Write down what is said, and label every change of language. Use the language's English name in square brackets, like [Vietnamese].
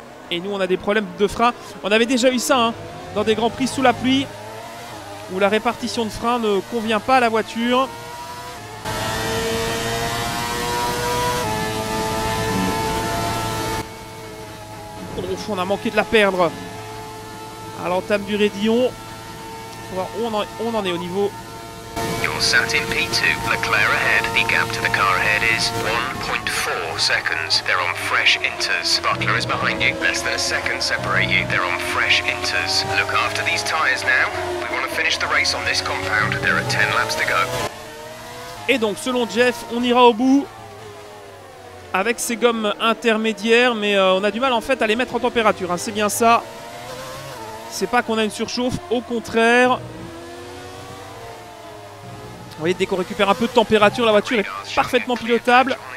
[French] Et nous, on a des problèmes de freins. On avait déjà eu ça hein, dans des Grands Prix sous la pluie, où la répartition de freins ne convient pas à la voiture. On a manqué de la perdre à l'entame du raidillon. On en est au niveau. [English] You're sat in P2, Leclerc ahead. The gap to the car ahead is 1.4 seconds. They're on fresh inters. Butler is behind you. Less than a second separate you. They're on fresh inters. Look after these tires now. We want to finish the race on this compound. There are 10 laps to go. [French] Et donc selon Jeff, on ira au bout avec ces gommes intermédiaires, mais on a du mal en fait à les mettre en température, hein. C'est bien ça. C'est pas qu'on a une surchauffe, au contraire. Vous voyez, dès qu'on récupère un peu de température, la voiture est parfaitement pilotable.